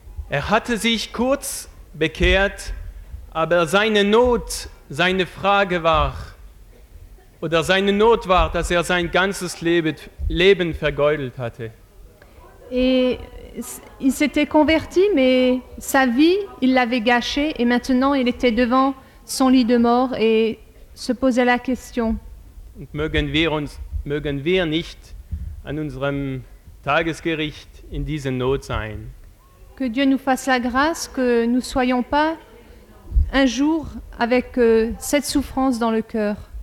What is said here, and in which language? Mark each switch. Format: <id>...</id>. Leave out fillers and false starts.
<de>Er hatte sich kurz bekehrt, aber seine Not, seine Frage war, oder seine Not war, dass er sein ganzes Leben vergeudelt hatte.</de> <fr>Et il s'était converti, mais sa vie, il l'avait gâchée, et maintenant il était devant son lit de mort et se posait la question.</fr> <de>Und mögen wir nicht an unserem Tagesgericht in dieser Not sein?</de> <fr>Que Dieu nous fasse la grâce, que nous soyons pas un jour avec cette souffrance dans le cœur.</fr>